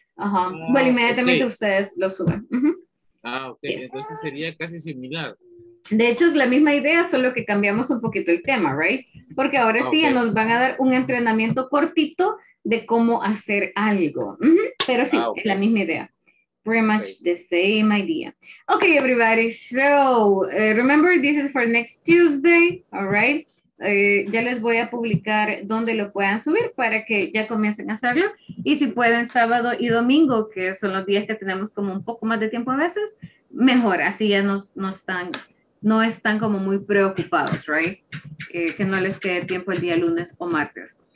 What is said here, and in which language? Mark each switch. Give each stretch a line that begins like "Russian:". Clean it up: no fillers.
Spanish: Bueno, inmediatamente ustedes lo suben. Entonces sería casi similar. De hecho, es la misma idea, solo que cambiamos un poquito el tema, right? Porque ahora ya nos van a dar un entrenamiento cortito de cómo hacer algo. Pero sí, es la misma idea.
English: Pretty much the same idea.
Spanish: Okay, everybody.
English: So, remember, this is for next Tuesday, all right?
Spanish: Ya les voy a publicar dónde lo puedan subir para que ya comiencen a hacerlo. Y si pueden, sábado y domingo, que son los días que tenemos como un poco más de tiempo a veces, mejor. Así ya no están como muy preocupados, right? Que no les quede tiempo el día lunes o martes.